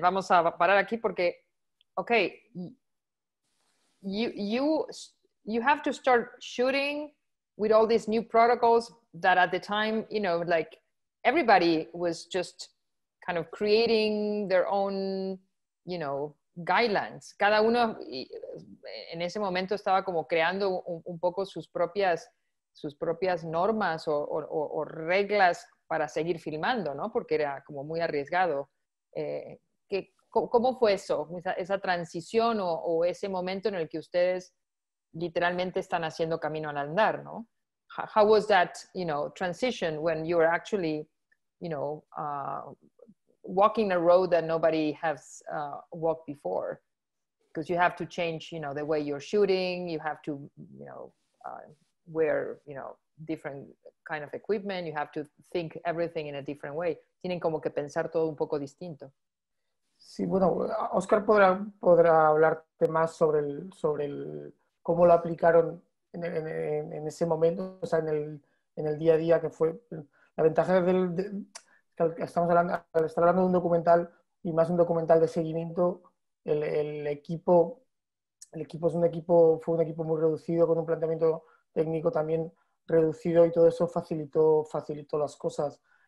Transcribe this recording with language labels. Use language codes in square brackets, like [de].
[es] Vamos a parar aquí porque, [en] okay, you have to start shooting with all these new protocols that at the time, you know, like everybody was just kind of creating their own, you know, guidelines. [es] Cada uno en ese momento estaba como creando un poco sus propias normas o reglas para seguir filmando, ¿no? Porque era como muy arriesgado. ¿Cómo fue eso? Esa transición o ese momento en el que ustedes literalmente están haciendo camino al andar, ¿no? [en] How was that, you know, transition when you were actually, you know, walking a road that nobody has walked before? Because you have to change, you know, the way you're shooting, you have to, you know, wear, you know, different kind of equipment, you have to think everything in a different way. [es] Tienen como que pensar todo un poco distinto. Sí, bueno, Oscar podrá hablarte más sobre el cómo lo aplicaron en ese momento, o sea, en el día a día, que fue la ventaja al estar hablando de un documental, y más un documental de seguimiento, el equipo fue un equipo muy reducido, con un planteamiento técnico también reducido, y todo eso facilitó las cosas,